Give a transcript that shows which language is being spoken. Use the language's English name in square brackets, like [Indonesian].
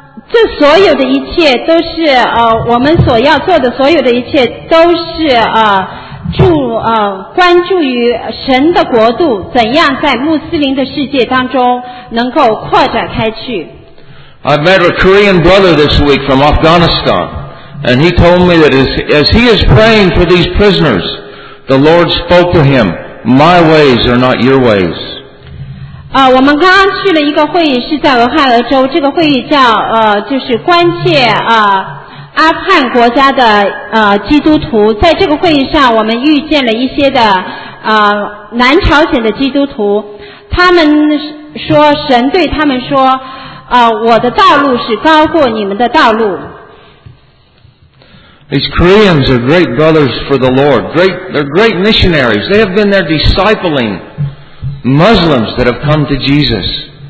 [Chinese] 这所有的一切都是我们所要做的所有的一切都是关注于神的国度怎样在穆斯林的世界当中能够扩展开去。 [English] I met a Korean brother this week from Afghanistan, and he told me that as he is praying for these prisoners, the Lord spoke to him, "My ways are not your ways." [Chinese] 我们刚刚去了一个会议，是在俄亥俄州，这个会议叫就是关切阿富汗国家的基督徒。在这个会议上，我们遇见了一些的南朝鲜的基督徒。他们说，神对他们说，我的道路是高过你们的道路。 [English] These Koreans are great brothers for the Lord. They're great missionaries. They have been there discipling Muslims that have come to Jesus.